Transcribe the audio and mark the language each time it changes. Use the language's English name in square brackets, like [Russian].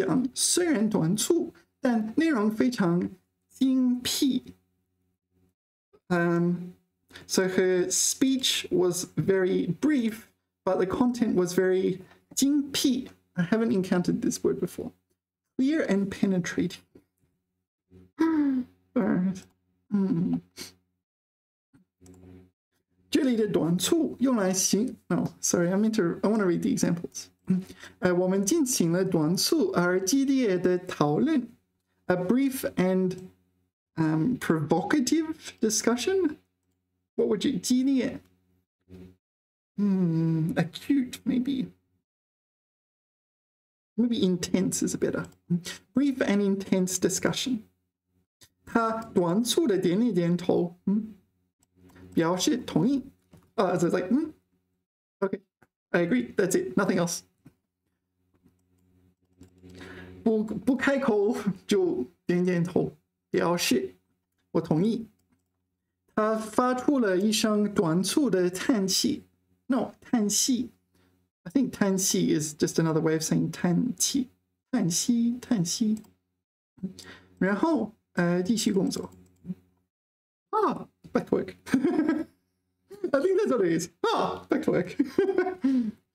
[Chinese] 她的演讲虽然短促, 但内容非常精辟。 [English] So her speech was very brief, but the content was very 精辟。 I haven't encountered this word before. Clear and penetrating. I want to read the examples. [Chinese] 我们进行了短促而激烈的讨论, [English] a brief and provocative discussion. What would you 激烈? Acute, maybe. Maybe intense is better. Brief and intense discussion. [Chinese] 他短促的点了点头, 表示同意. [English] So it's like, okay, I agree, that's it, nothing else. [Chinese] 不开口就点点头, 表示我同意. 他发出了一声短促的叹气. [English] No, 叹息. I think 叹息 is just another way of saying 叹气. [Chinese] 叹息, 叹息. 然后, 继续工作. [English] Ah, back to work. I think that's what it is. Ah, back to work.